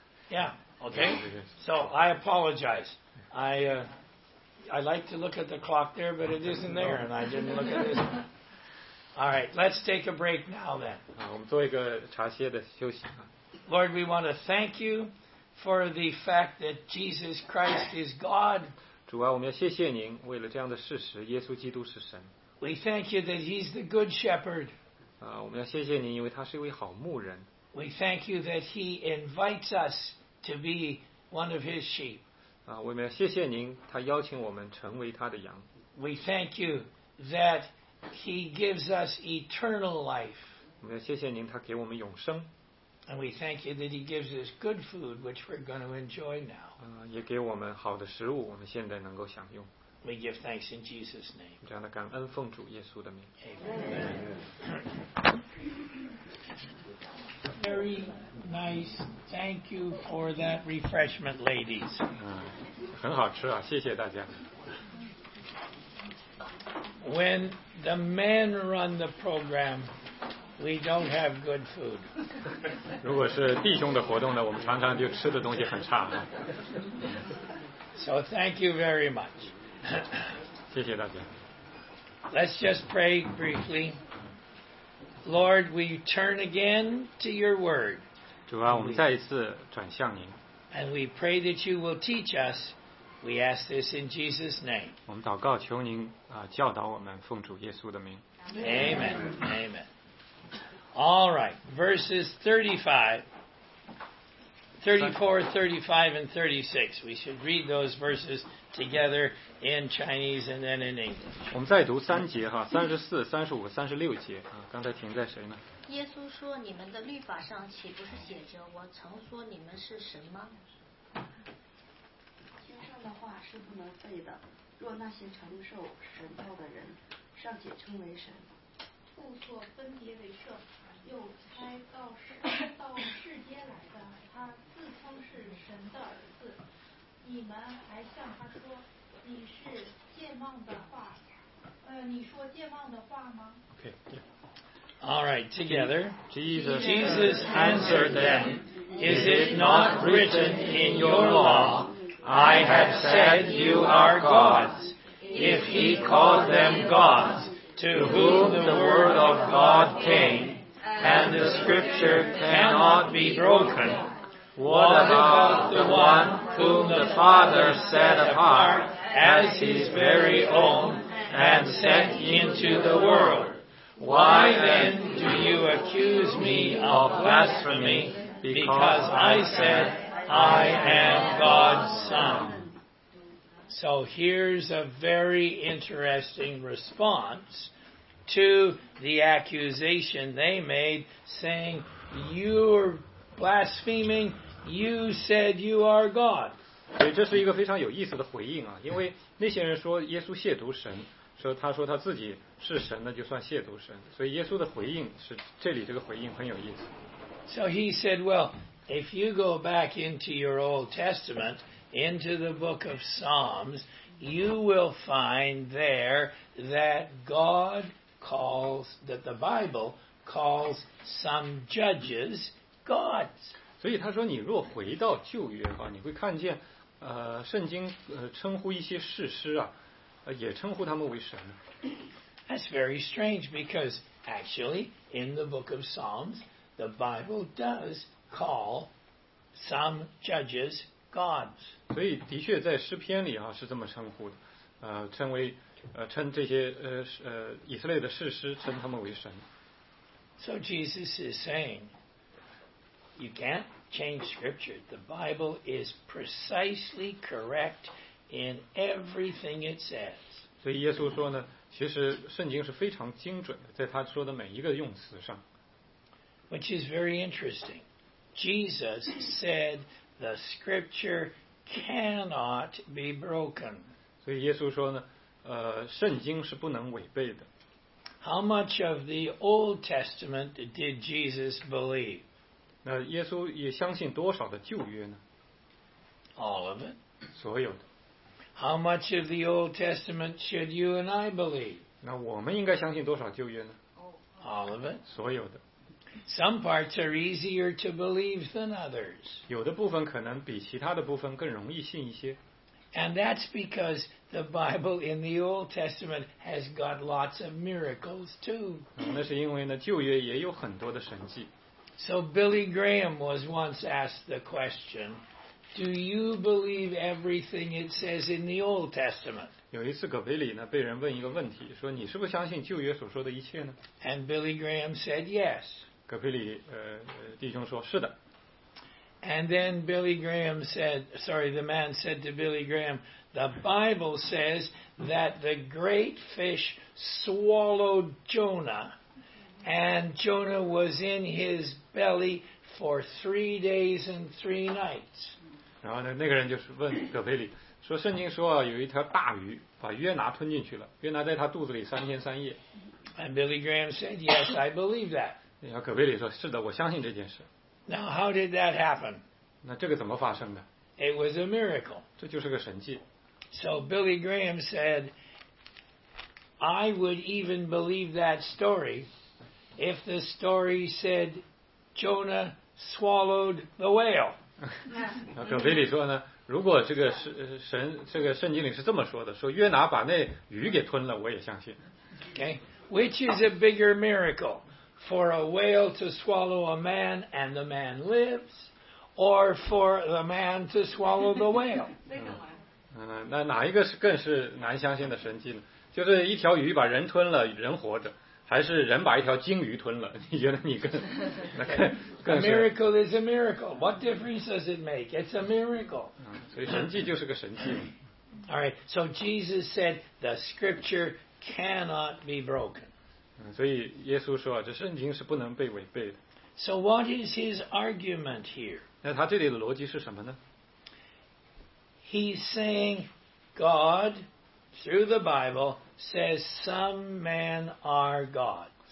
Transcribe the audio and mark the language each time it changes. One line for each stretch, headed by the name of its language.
English: Yeah. Okay, so I apologize. I like to look at the clock there, but it isn't there, and I didn't look at this one. All right, let's take a break now then.
Chinese: 我们做一个茶歇的休息。
English: Lord, we want to thank you for the fact that Jesus Christ is God.
Chinese: 主啊，我们要谢谢您，为了这样的事实，耶稣基督是神。
English: We thank you that he's the good shepherd.
Chinese: 我们要谢谢您，因为他是一位好牧人。
English: We thank you that he invites us to be one of his sheep.
Chinese: 我们要谢谢您，他邀请我们成为他的羊。
English: We thank you that he gives us eternal life.
Chinese: 我们要谢谢您，他给我们永生。
English: And we thank you that he gives us good food, which we're going to enjoy now.
Chinese: 也给我们好的食物，我们现在能够享用。
English: We give thanks in Jesus' name.
Chinese: 这样的感恩奉主耶稣的名。
English: Amen. Very nice. Thank you for that refreshment, ladies.
Chinese: 很好吃啊，谢谢大家。
English: When the men run the program, we don't have good food.
Chinese: 如果是弟兄的活动呢，我们常常就吃的东西很差啊。
English: So thank you very much.
Chinese: 谢谢大家。
English: Let's just pray briefly. Lord, we turn again to your word. 主啊，我们再一次转向您。 And we pray that you will teach us. We ask this in Jesus' name.
Chinese: 我们祷告求您教导我们，奉主耶稣的名。
English: Amen. Amen. All right, verses 34, 35, and 36. We should read those verses together in Chinese and then in English.
Chinese: 我们再读三节哈，34, 35, 36节啊。刚才停在谁呢？耶稣说：“你们的律法上岂不是写着，我曾说你们是神吗？经上的话是不能废的。若那些承受神道的人，尚且称为神。” 故作分别为圣，又差到世间来的，他自称是神的儿子。你们还向他说，你是健忘的话，你说健忘的话吗？
English: Okay, yeah. All right, together. Jesus answered them, Is it not written in your law, I have said you are gods? If he called them gods,to whom the word of God came, and the scripture cannot be broken. What about the one whom the Father set apart as his very own and sent into the world? Why then do you accuse me of blasphemy because I said, I am God's son? So here's a very interesting response. To the accusation they made, saying, You're blaspheming, you said you are God.
Chinese: 对，这是一个非常有意思的回应啊，因为那些人说耶稣亵渎神，说他说他自己是神，那就算亵渎神。所以耶稣的回应是，这里这个回应很有意思。
English: So he said, Well, if you go back into your Old Testament, into the book of Psalms, you will find there that GodCalls that the Bible calls some judges gods.
Chinese: 所以他说，你若回到旧约哈，你会看见，圣经称呼一些士师啊，也称呼他们为神。
English: That's very strange because actually in the book of Psalms, the Bible does call some judges gods.
Chinese: 所以的确在诗篇里哈是这么称呼的，称为。称这些以色列的士师称他们为神。
English: So Jesus is saying, you can't change scripture. The Bible is precisely correct in everything it says.
Chinese: 所以耶稣说呢，其实圣经是非常精准的，在他说的每一个用词上。
English: Which is very interesting. Jesus said the scripture cannot be broken.
Chinese: 所以耶稣说呢。圣经是不能违背的。
English: How much of the Old Testament did Jesus believe?
Chinese: 那耶稣也相信多少的旧约呢？
English: All of it.
Chinese: 所有的。
English: How much of the Old Testament should you and I believe?
Chinese: 那我们应该相信多少旧约呢？
English: All of it.
Chinese: 所有的。
English: Some parts are easier to believe than others.
Chinese: 有的部分可能比其他的部分更容易信一些。
English: And that's because the Bible in the Old Testament has got lots of miracles too.
Chinese: 那是因为呢，旧约也有很多的神迹。
English: So Billy Graham was once asked the question, "Do you believe everything it says in the Old Testament?"
Chinese: 有一次，葛贝里呢被人问一个问题，说你是不是相信旧约所说的一切呢
English: ？And Billy Graham said yes.
Chinese: 葛贝里弟兄说是的。
English: And then Billy Graham said, sorry, the man said to Billy Graham, "The Bible says that the great fish swallowed Jonah." And Jonah was in his belly for 3 days and three nights.
Chinese: 然后呢，那个人就是问葛培里，说圣经说啊，有一条大鱼把约拿吞进去了，约拿在他肚子里三天三夜。
English: And Billy Graham said, "Yes, I believe that."
Chinese: 然后葛培里说，是的，我相信这件事。
English: Now, how did that happen?
Chinese: 那这个怎么发生的？
English: It was a miracle.
Chinese: 这就是个神迹。
English: So Billy Graham said, "I would even believe that story." If the story said Jonah swallowed the whale,
Chinese: 那葛培里说呢？如果这个圣经里是这么说的，说约拿把那鱼给吞了，我也相信。
English: Okay, which is a bigger miracle, for a whale to swallow a man and the man lives, or for the man to swallow the whale?
Chinese: 那哪一个是更是难相信的神迹呢？就是一条鱼把人吞了，人活着。还是人把一条鲸鱼吞了？你觉得你更
English: ？A miracle is a miracle. What difference does it make? It's a miracle.
Chinese: 所以神迹就是个神迹。
English: All right. So Jesus said the Scripture cannot be broken.
Chinese: 所以耶稣说，这圣经是不能被违背的。
English: So what is his argument here?
Chinese: 那他这里的逻辑是什么呢
English: ？He's saying God through the Bible. Says some men are gods.